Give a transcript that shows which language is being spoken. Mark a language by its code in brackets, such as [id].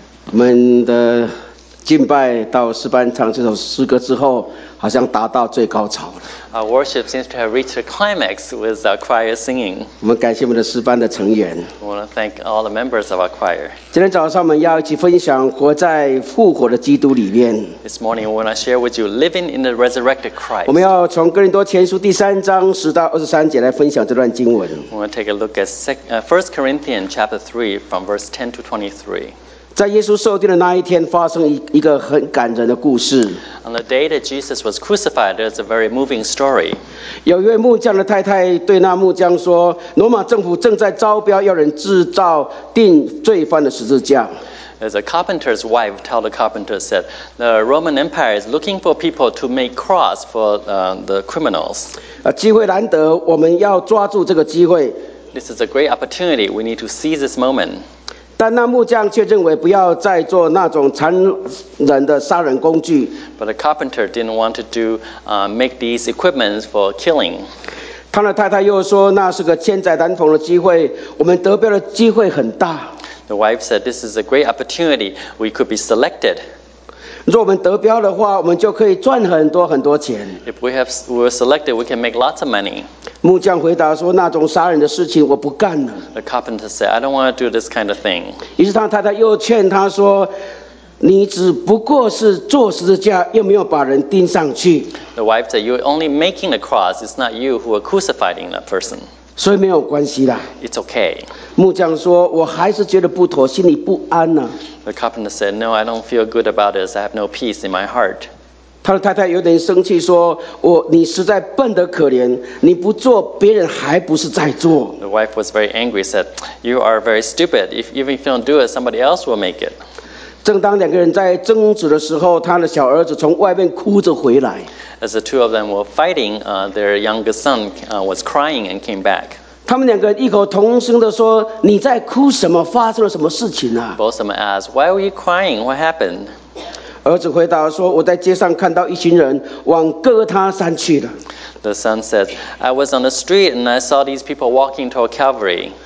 [zh] 我们的敬拜到诗班唱这首诗歌之后，好像达到最高潮了。 [en] Our worship seems to have reached a climax with our choir singing. [zh] 我们感谢我们的诗班的成员。 [en] I want to thank all the members of our choir. [zh] 今天早上我们要一起分享活在复活的基督里面。 [en] This morning, I want to share with you living in the resurrected Christ. [zh] 我们要从哥林多前书第三章十到二十三节来分享这段经文。 [en] I want to take a look at First Corinthians chapter 3 from verse 10 to 23. [zh] 在耶稣受钉的那一天发生一个很感人的故事。 [en] On the day that Jesus was crucified, there's a very moving story. [zh] 有一位木匠的太太对那木匠说，罗马政府正在招标要人制造定罪犯的十字架。 [en] There's a carpenter's wife told the carpenter said, the Roman Empire is looking for people to make cross for the criminals. [zh] 机会难得，我们要抓住这个机会。 [en] This is a great opportunity, we need to seize this moment. [zh] 但那木匠却认为不要再做那种残忍的杀人工具。 [en] But the carpenter didn't want to do, make these equipments for killing. [zh] 他的太太又说，那是个千载难逢的机会，我们得标的机会很大。 [en] The wife said, this is a great opportunity, we could be selected. [zh] 若我们得标的话，我们就可以赚很多很多钱。 [en] If we were selected, we can make lots of money. [zh] 木匠回答说，那种杀人的事情我不干了。 [en] The carpenter said, I don't want to do this kind of thing. [zh] 于是他太太又劝他说，你只不过是做十字架，又没有把人钉上去。 [en] The wife said, you're only making the cross. It's not you who are crucifying that person. [zh] 所以没有关系啦。 [en] It's okay. [zh] 木匠说，我还是觉得不妥，心里不安啊。 [en] The carpenter said, no, I don't feel good about this. I have no peace in my heart. [zh] 他的太太有点生气说，我你实在笨得可怜，你不做别人还不是在做。 [en] The wife was very angry, said, you are very stupid. If, even if you don't do it, somebody else will make it. [zh] 正当两个人在争执的时候，他的小儿子从外面哭着回来。 [en] As the two of them were fighting, their youngest son was crying and came back. [zh] 他们两个人异口同声地说，你在哭什么？发生了什么事情啊？ [en] Both of them asked, why were you crying? What happened? [zh] 儿子回答说，我在街上看到一群人往哥他山去了。 [en] The son said, I was on the street and I saw these people walking toward Calvary.